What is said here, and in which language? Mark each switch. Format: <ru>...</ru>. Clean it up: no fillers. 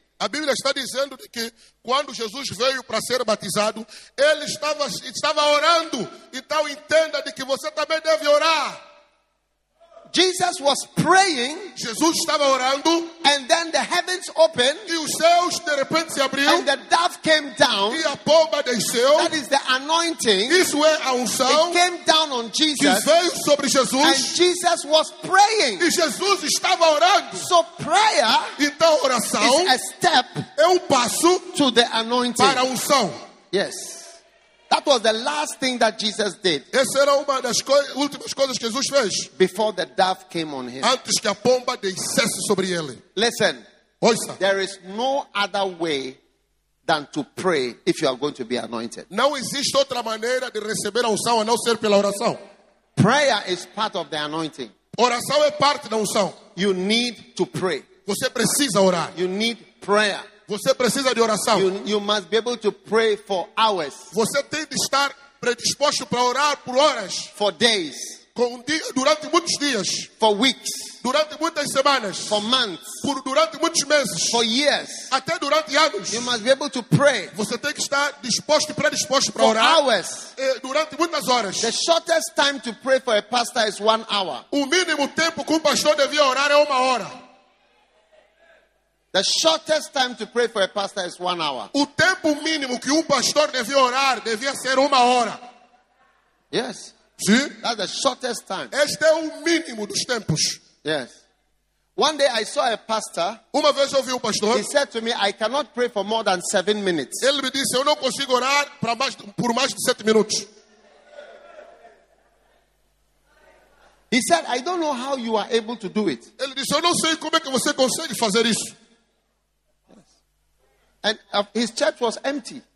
<pt>A Bíblia está dizendo que quando Jesus veio para ser batizado, ele estava orando. Então entenda de que você também deve orar.</pt> <en>Jesus was praying.</en> <pt>Jesus estava orando.</pt> <en>And then the heavens opened.</en> <pt>E os céus de repente se abriu.</pt> <en>And the dove came down.</en> <pt>E a pomba desceu.</pt> <en>That is the anointing.</en> <pt>Isso é a unção.</pt> <en>It came down on Jesus.</en> <pt>Que veio sobre Jesus.</pt> <en>And Jesus was praying.</en> <pt>E Jesus estava orando.</pt> <en>So prayer.</en> <pt>Então oração.</pt> <en>Is a step.</en> <pt>É passo.</pt> <en>To the anointing.</en> <pt>Para a unção.</pt> <en>Yes. That was the last thing that Jesus did.</en> <pt>Essa era uma das últimas coisas que Jesus fez.</pt> <en>Before the dove came on him.</en> <pt>Antes que a pomba descesse sobre ele.</pt> <en>Listen.</en> <pt>Ouça.</pt> <en>There is no other way than to pray if you are going to be anointed.</en> <pt>Não existe outra maneira de receber a unção a não ser pela oração.</pt> <en>Prayer is part of the anointing.</en> <pt>Oração é parte da unção.</pt> <en>You need to pray.</en> <pt>Você precisa orar.</pt> <en>You need prayer.</en> <pt>Você precisa de oração.</pt> <en>You must be able to pray for hours.</en> <pt>Você tem de estar predisposto para orar por horas.</pt> <en>For days.</en> <pt>Durante muitos dias.</pt> <en>For weeks.</en> <pt>durante muitas semanas,</pt> <en>for months,</en> <pt>por durante muitos meses,</pt> <en>for years,</en> <pt>até durante anos,</pt> <en>you must be able to pray,</en> <pt>você tem que estar disposto e predisposto para</pt> <en>for</en> <pt>orar,</pt> <en>hours,</en> <pt>e durante muitas horas.</pt> <en>The shortest time to pray for a pastor is 1 hour.</en> <pt>O mínimo tempo que um pastor devia orar é 1 hora.</pt> <en>The shortest time to pray for a pastor is 1 hour.</en> <pt>O tempo mínimo que um pastor devia orar devia ser 1 hora.</pt> <en>Yes.</en> <pt>Sim.</pt> <en>That's the shortest time.</en> <pt>Este é o mínimo dos tempos.</pt> <en>Yes. One day I saw a pastor.</en> <pt>Uma vez eu vi um pastor.</pt> <en>He said to me, I cannot pray for more than 7 minutes.</en> <pt>Ele me disse, eu não consigo orar por mais de 7 minutos.</pt> <en>He said, I don't know how you are able to do it.</en> <pt>Ele disse, eu não sei como é que você consegue fazer isso.</pt> <en>And his church was empty.</en>